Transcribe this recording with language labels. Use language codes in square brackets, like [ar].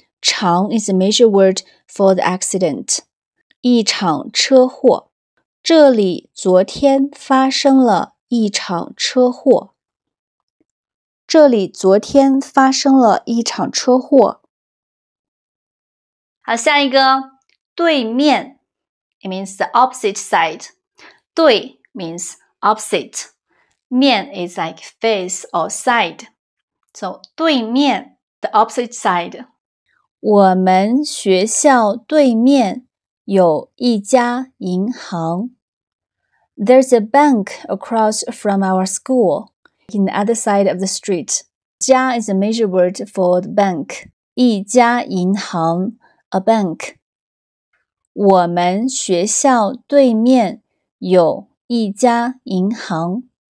[en] 长 is a major word for the accident. [zh] 一场车祸。这里昨天发生了一场车祸。这里昨天发生了一场车祸。好，下一个，对面。 [en] It means the opposite side. 对 means opposite. 面 is like face or side. So, 对面, the opposite side. [zh] 我们学校对面有一家银行。 [en] There's a bank across from our school in the other side of the street. 家 is a major word for the bank. [zh] 一家银行, [en] a bank. [zh] 我们学校对面有一家银行。